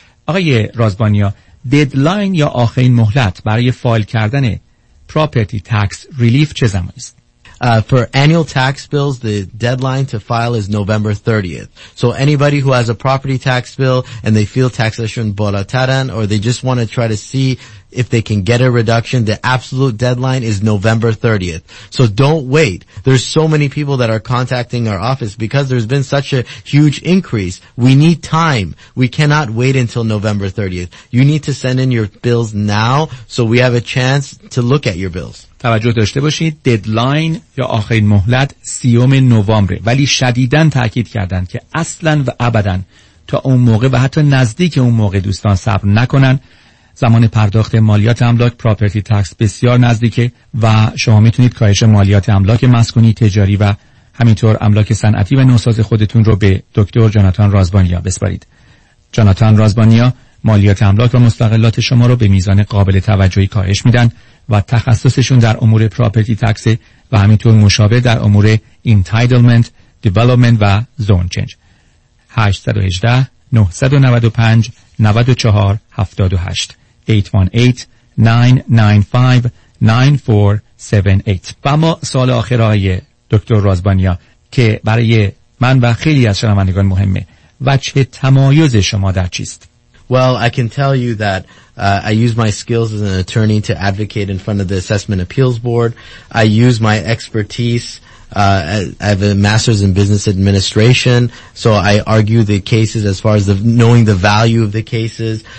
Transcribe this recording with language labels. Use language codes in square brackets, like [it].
[fa] آقای رازبانیا, ددلاین یا آخرین مهلت برای فایل کردن پراپرتی تکس ریلیف چه زمانی است؟ [en] For annual tax bills, the deadline to file is November 30th. So anybody who has a property tax bill and they feel taxation bolataran or they just want to try to see if they can get a reduction, the absolute deadline is November 30th. So don't wait. There's so many people that are contacting our office because there's been such a huge increase. We need time. We cannot wait until November 30th. You need to send in your bills now so we have a chance to look at your bills. [fa] توجه داشته باشید, ددلاین یا آخرین مهلت 30 نوامبر, ولی شدیداً تاکید کردند که اصلاً و ابداً تا اون موقع و حتی نزدیک اون موقع دوستان صبر نکنن. زمان پرداخت مالیات املاک پراپرتی تکس بسیار نزدیکه و شما میتونید کاهش مالیات املاک مسکونی، تجاری و همینطور املاک صنعتی و نوساز خودتون رو به دکتر جاناتان رازبانیا بسپارید. جاناتان رازبانیا مالیات املاک و مستغلات شما رو به میزان قابل توجهی کاهش میدن و تخصصشون در امور پراپرتی تکس و همینطور مشابه در امور انتایدلمنت، دیولپمنت و زون چنج. 818-995-94-78 818-995-94-78. و اما سوال آخر آقای دکتر رازبانیا که برای من و خیلی از شنوندگان مهمه، وجه تمایز شما در چیست؟ [en] Well, I can tell you that I use my skills as an attorney to advocate in front of the Assessment Appeals Board. I use my expertise. I have a master's in business administration, so I argue the cases as far as the knowing the value of the cases.